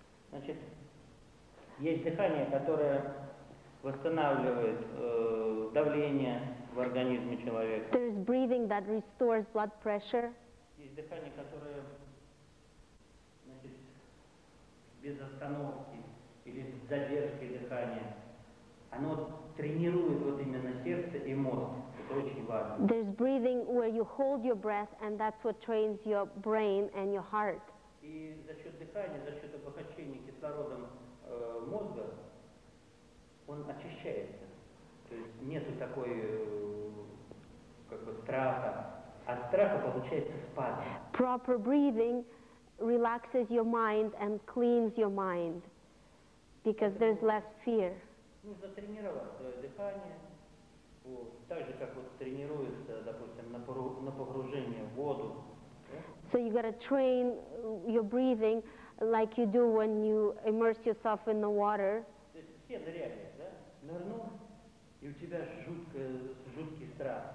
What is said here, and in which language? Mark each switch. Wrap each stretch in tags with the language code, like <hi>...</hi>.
<ru>Значит, есть дыхание, которое восстанавливает давление в организме человека.</ru> <en>There is breathing that restores blood pressure.</en> <ru>Есть дыхание, которое, значит, без остановки или с задержкой дыхания. Оно тренирует вот именно сердце и мозг. Это очень важно.</ru> <en>There's breathing where you hold your breath, and that's what trains your brain and your heart.</en> <ru>И за счет дыхания, за счет обогащения кислородом мозга, он очищается. То есть нету такой как бы страха. От страха получается спазм.</ru> <en>Proper breathing relaxes your mind and cleans your mind, because there's less fear.</en> <ru>Нужно тренировать дыхание, так же, как вот тренируется, допустим, на погружение в воду.</ru> <en>So you gotta train your breathing like you do when you immerse yourself in the water.</en> <ru>Все ныряли, да? Нырнул, и у тебя жуткий страх.</ru>